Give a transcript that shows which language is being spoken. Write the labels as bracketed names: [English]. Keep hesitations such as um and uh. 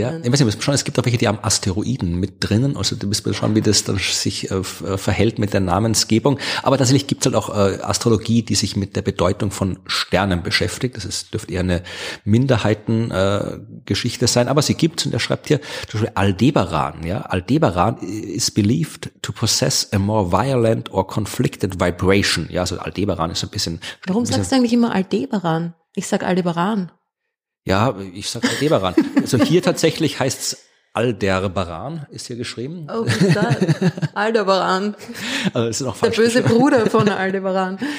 [German] Ja, ich weiß nicht, schon, es gibt auch welche, die haben Asteroiden mit drinnen, also da müssen wir schauen, wie das dann sich äh, verhält mit der Namensgebung. Aber tatsächlich gibt es halt auch äh, Astrologie, die sich mit der Bedeutung von Sternen beschäftigt. Das ist, dürfte eher eine Minderheitengeschichte äh, sein, aber sie gibt und er schreibt hier zum Beispiel Aldebaran. Ja? [English] Aldebaran is believed to possess a more violent or conflicted vibration. [German] Ja, also Aldebaran ist ein bisschen... Warum ein bisschen, sagst du eigentlich immer Aldebaran? Ich sag Aldebaran. Ja, ich sag Aldebaran. also hier tatsächlich heißt's Alderbaran, ist hier geschrieben. Oh, da, Aldebaran. Also das ist auch der böse Bruder von Aldebaran.